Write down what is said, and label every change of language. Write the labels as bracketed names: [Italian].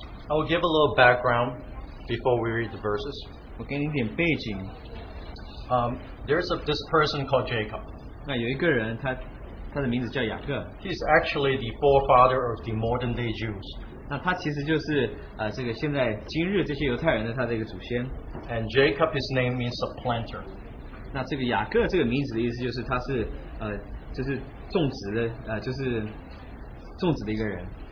[English] I will give a little background before we read the verses. [Chinese] 我给你一点背景. [English] There's a, this person called Jacob. [Chinese] 那有一个人，他的名字叫雅各. [English] He's actually the forefather of the modern day Jews. [Chinese] 那他其实就是这个现在今日这些犹太人的他的一个祖先. [English] And Jacob, his name means supplanter. [Chinese] 那这个雅各这个名字的意思就是他是就是种植的就是种植的一个人.